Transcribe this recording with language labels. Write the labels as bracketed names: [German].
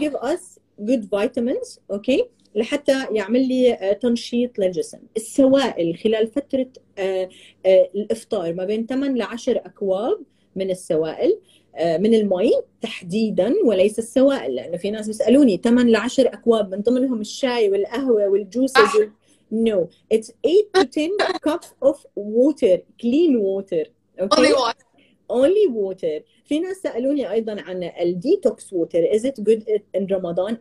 [English] give us good vitamins, okay؟ [Arabic] لحتى يعمل لي تنشيط للجسم. السوائل خلال فتره الافطار ما بين 8 ل 10 اكواب من السوائل، من المي تحديدا وليس السوائل، لانه في ناس بيسالوني 8 ل 10 اكواب من ضمنهم الشاي والقهوه والجوسز صح [English] No, it's 8 to 10 cups of water, clean water, only okay? water Only water. [Arabic] في ناس سألوني أيضاً عن الديتوكس ووتر، [English] is it good in Ramadan?